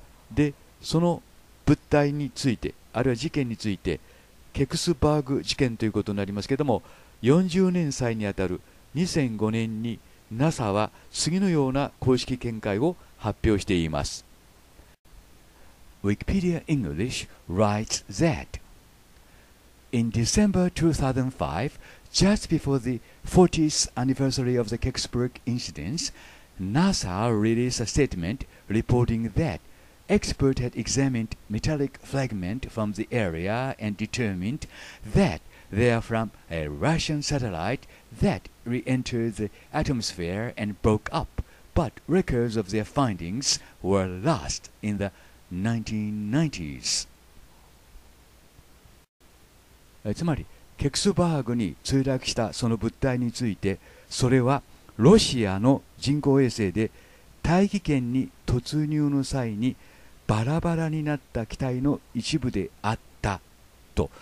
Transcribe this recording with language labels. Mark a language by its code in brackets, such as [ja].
[ja] で、その物体について、あるいは事件について、ケクスバーグ事件ということになりますけれども、40年祭にあたる2005年に NASA は次のような公式見解を発表しています。 [en] Wikipedia English writes that in December 2005, just before the 40th anniversary of the Kecksburg incident, NASA released a statement reporting thatExpert had examined metallic fragment from the area and determined that they are from a Russian satellite that re-entered the atmosphere and broke up, but records of their findings were lost in the 1990s. [ja] つまり、ケクスバーグに墜落したその物体について、それはロシアの人工衛星で大気圏に突入の際にバラバラになった機体の一部であったと。